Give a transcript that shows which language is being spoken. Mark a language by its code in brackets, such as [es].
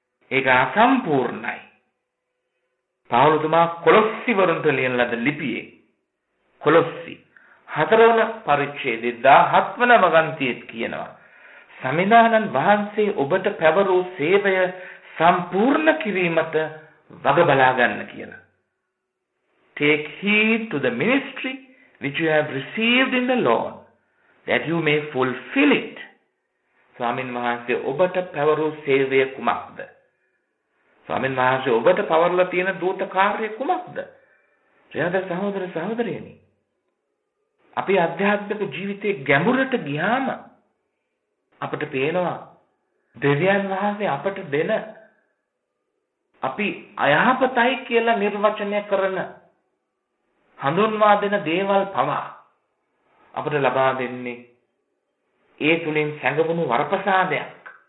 [si] ඒක අසම්පූර්ණයි. පාවුලතුමා කොලොස්සි වරුන්ට ලියන ලද ලිපියේ කොලොස්සි 4 පරිච්ඡේදයේ 17 වගන්තියේ කියනවා සමිඳානන් වහන්සේ ඔබට පැවරූ සේවය සම්පූර්ණ කිරීමට වග බලා ගන්න කියලා. [en] Take heed to the ministry which you have received in the Lord, that you may fulfill it. [si] ස්වාමීන් වහන්සේ ඔබට පැවරූ සේවය කුමක්ද? ස්වාමීන් වහන්සේ ඔබට පවරලා තියෙන දූත කාර්ය කුමක්ද? ප්‍රියද සහෝදර සහෝදරියනි, අපි අධ්‍යාත්මික ජීවිතයේ ගැඹුරට ගියාම අපට පේනවා දෙවියන් වහන්සේ අපට දෙන අපි අයහපතයි කියලා නිර්වචනය කරන හඳුන්වා දෙන දේවල් පවා අපට ලබා දෙන්නේ ඒ තුලින් සැඟවුණු වරප්‍රසාදයක්.